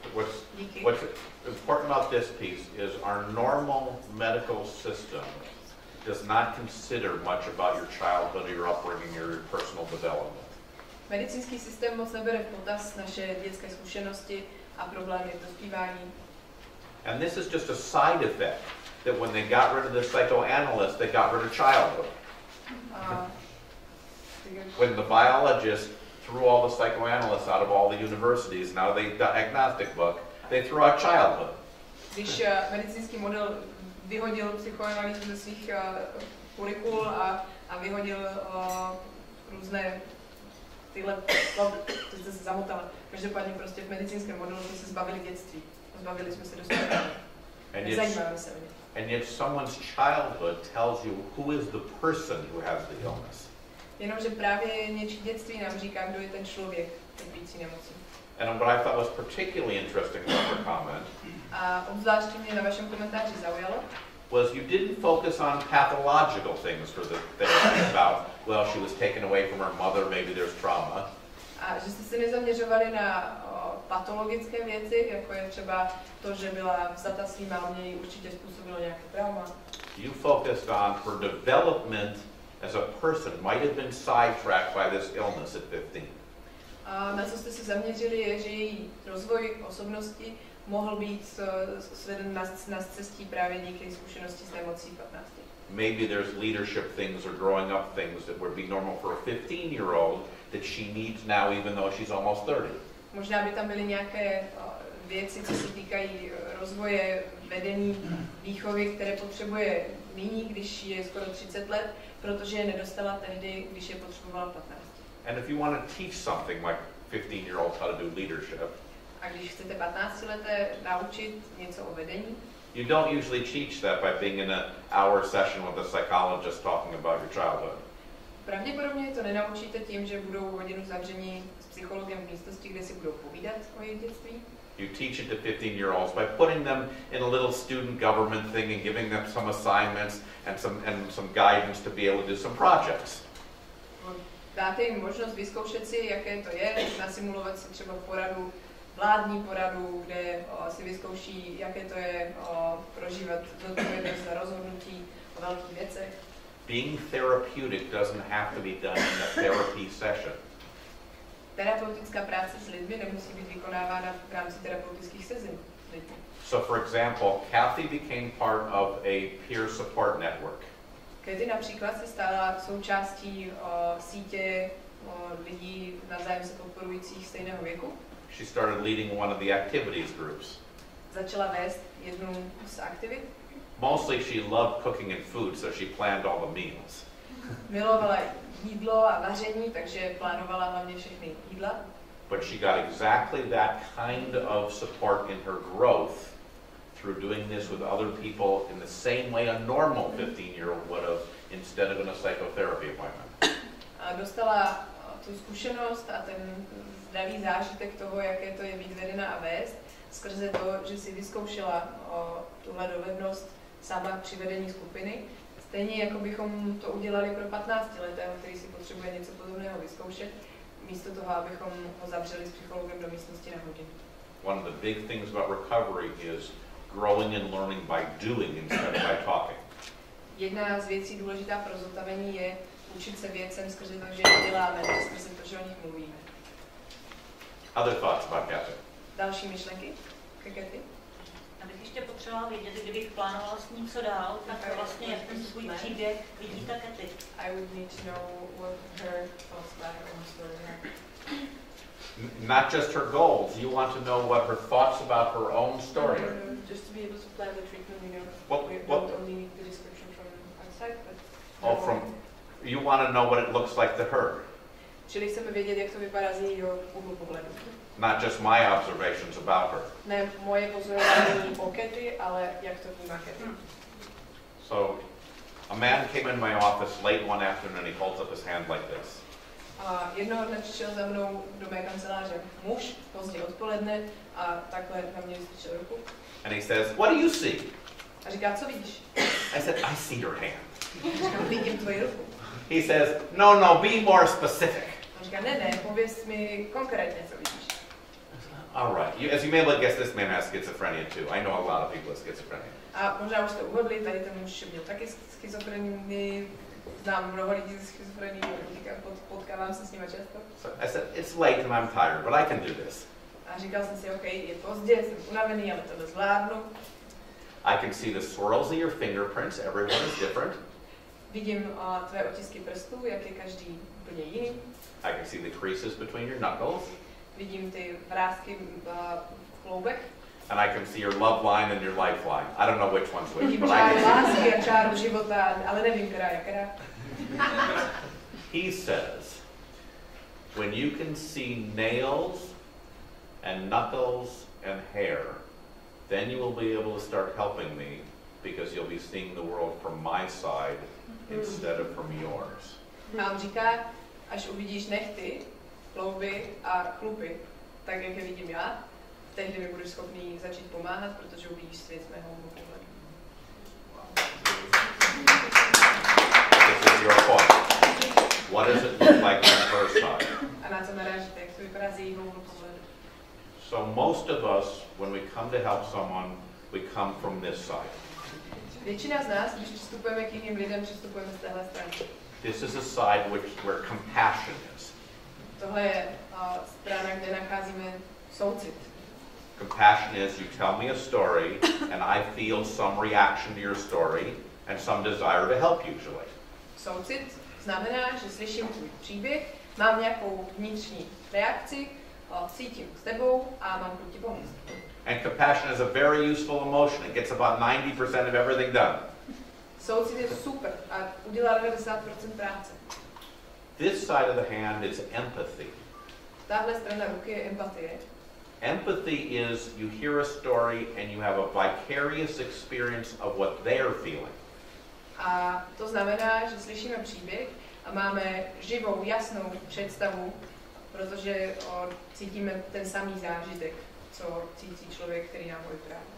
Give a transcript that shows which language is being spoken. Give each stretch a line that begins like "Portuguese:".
English: What's important about this piece is our normal medical system does not consider much about your childhood, your upbringing, your personal development.
Czech: Medicínský systém moc nebere v potaz naše dětské zkušenosti a problémy v dospívání.
English: And this is just a side effect that when they got rid of the psychoanalyst, they got rid of childhood. When the biologist threw all the psychoanalysts out of all the universities, now they diagnostic book, they threw out childhood.
Czech: Když medicínský model vyhodil psychoanalýzu ze svých kurikul a vyhodil různé tyhle, to jste se zamotala, každopádně prostě v medicínském modelu jsme se zbavili dětství, zbavili jsme se dospělosti. Zajímavé se
English: And yet someone's childhood tells you who is the person who has the illness.
Czech: Jenomže právě něčí dětství nám říká, kdo je ten člověk trpící nemocí.
English: And what I thought was particularly interesting about your comment.
Czech: A obzvláště mě na vašem komentáři zaujalo.
English: Was you didn't focus on pathological things for the thing about, well, she was taken away from her mother, maybe there's trauma.
Czech: A že jste se nezaměřovali na patologické věci, jako je třeba to, že byla vzata svým a mě ji určitě způsobilo nějaké trauma.
English: You focused on her development as a person might have been sidetracked by this illness at 15.
Czech: A na co jste se zaměřili, je, že její rozvoj osobnosti mohl být sveden na cestí právě díky zkušenosti s nemocí 15.
English: Maybe there's leadership things or growing up things that would be normal for a 15-year-old that she needs now even though she's almost 30.
Czech: Možná by tam byly nějaké věci, co se týkají rozvoje, vedení, výchovy, které potřebuje nyní, když je skoro 30 let, protože je nedostala tehdy, když je potřebovala 15.
English: And if you want to teach something like 15-year-olds how to do leadership,
Czech: a když chcete 15-leté naučit něco o vedení,
English: you don't usually teach that by being in an hour session with a psychologist talking about your childhood.
Czech: Pravděpodobně to nenaučíte tím, že budou hodinu zavření s psychologem v místnosti, kde si budou povídat o jejich dětství.
English: You teach it to 15-year-olds by putting them in a little student government thing and giving them some assignments and some guidance to be able to do some projects.
Czech: Dáte jim možnost vyzkoušet si, jaké to je, nasimulovat si třeba poradu, vládní poradu, kde si vyzkouší, jaké to je prožívat zodpovědnost za rozhodnutí o velkých věcech.
English: Being therapeutic doesn't have to be done in a therapy session.
Czech: Terapeutická práce s lidmi nemusí být vykonávána v rámci terapeutických sezení.
English: So for example, Kathy became part of a peer support network.
Czech: Kathy například se stala součástí sítě lidí navzájem se podporujících stejného věku.
English: She started leading one of the activities groups.
Czech: Začala vést jednu z aktivit.
English: Mostly she loved cooking and food, so she planned all the meals.
Czech: Milovala jídlo a vaření, takže plánovala hlavně všechny jídla.
English: But she got exactly that kind of support in her growth through doing this with other people in the same way a normal 15-year-old would have instead of in a psychotherapy appointment.
Czech: Dostala tu zkušenost a ten zdravý zážitek toho, jaké to je být vedena a vést, skrze to, že si vyzkoušela tuhle dovednost sama při vedení skupiny. Stejně jako bychom to udělali pro 15-letého, který si potřebuje něco podobného vyzkoušet, místo toho, abychom ho zavřeli s psychologem do místnosti na hodinu.
English: One of the big things about recovery is growing and learning by doing instead of by talking.
Czech: Jedna z věcí důležitá pro zotavení je učit se věcem skrze to, že je děláme, ne skrze to, že o nich mluvíme.
English: Other thoughts about Kathy?
Czech: Další myšlenky ke Kathy? Abych ještě potřebovala vědět, kdybych plánovala s ním co dál, tak to vlastně jak ten svůj příběh vidí ta Kathy.
English: I would need to know what her thoughts about her own story are. Not just her goals, you want to know what her thoughts about her own story. Just to be able to plan the treatment, you know, we don't only need the description from outside, but... Oh, from... You want to know what it looks like to her.
Czech: Čili chceme vědět, jak to vypadá z jejího úhlu pohledu.
English: Not just my observations about her.
Czech: Ne moje pozorování o Kathy, ale jak to vnímá Kathy.
English: So, a man came in my office late one afternoon, he holds up his hand like this.
Czech: A jednoho dne přišel za mnou do mé kanceláře muž, pozdě odpoledne, a takhle na mě vystrčil ruku.
English: And he says, what do you see?
Czech: A říká, co vidíš?
English: I said, I see your hand.
Czech: Říkám, vidím tvoji ruku.
English: He says, no, no, be more specific.
Czech: Říkám, ne, pověz mi konkrétně, co vidíš.
English: All right, as you may have guessed, this man has schizophrenia too. I know a lot of people with schizophrenia.
Czech: A možná už jste uhodli, tady ten muž měl taky schizofrenii. Znám mnoho lidí ze schizofrenii, potkávám se s nimi často.
English: So I said, it's late and I'm tired, but I can do this.
Czech: A říkal jsem si, OK, je pozdě, jsem unavený, ale to zvládnu.
English: I can see the swirls in your fingerprints, everyone is different.
Czech: Vidím tvé otisky prstů, jak je každý úplně jiný.
English: I can see the creases between your knuckles.
Czech: Vidím ty vrásky v kloubech.
English: And I can see your love line and your life line. I don't know which one's which, but I can see.
Czech: Lásky a čáru života, ale nevím, která je která.
English: He says, when you can see nails and knuckles and hair, then you will be able to start helping me because you'll be seeing the world from my side instead of from yours.
Czech: A on říká, až uvidíš nechty, klouby a chlupy, tak jak je vidím já, tehdy mi budeš schopný začít pomáhat, protože uvidíš svět z mého úhlu pohledu.
English: This is your point. What does it look like from her side?
Czech: A na co narážíte, jak to vypadá z jejího úhlu pohledu?
English: So most of us, when we come to help someone, we come from this side.
Czech: Většina z nás, když přistupujeme k jiným lidem, přistupujeme z téhle strany.
English: This is a side which where compassion is.
Czech: Tohle je strana, kde nacházíme soucit.
English: Compassion is you tell me a story and I feel some reaction to your story and some desire to help usually.
Czech: Soucit znamená, že slyším tvůj příběh, mám nějakou vnitřní reakci, cítím s tebou a mám chuť pomoct.
English: And compassion is a very useful emotion. It gets about 90% of everything done.
Czech: Soucit je super a udělá 90% práce.
English: This side of the hand is empathy.
Czech: Tahle strana ruky je empatie.
English: Empathy is you hear a story and you have a vicarious experience of what they're feeling.
Czech: A to znamená, že slyšíme příběh a máme živou, jasnou představu, protože cítíme ten samý zážitek, co cítí člověk, který nám ho vypráví.